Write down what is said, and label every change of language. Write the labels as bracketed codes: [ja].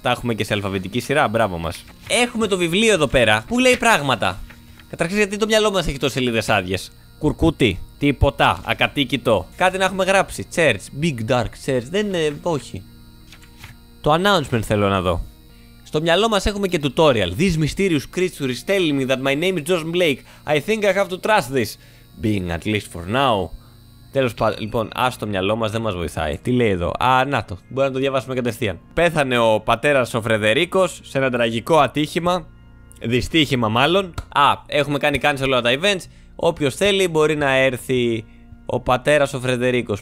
[el] Τα έχουμε και σε αλφαβητική σειρά. Μπράβο μας. Έχουμε το βιβλίο εδώ πέρα που λέει πράγματα. Καταρχήν, γιατί το μυαλό μας έχει τόσες σελίδες άδειες. Κουρκούτι. Τίποτα. Ακατοίκητο. Κάτι να έχουμε γράψει. [en] Church. Big dark church. [el] Δεν είναι. Όχι. Το announcement θέλω να δω. Στο μυαλό μας έχουμε και tutorial. [en] This mysterious creature is telling me that my name is Josh Blake. I think I have to trust this. Being at least for now. [el] Τέλος πάντων, λοιπόν, ας το μυαλό μας, δεν μας βοηθάει. Τι λέει εδώ. Α, να το. Μπορεί να το διαβάσουμε κατευθείαν. Πέθανε ο πατέρας ο Φρεδερίκος σε ένα τραγικό ατύχημα. Δυστύχημα μάλλον. Α, έχουμε κάνει cancel όλα τα events. Όποιος θέλει μπορεί να έρθει ο πατέρας ο Φρεδερίκος.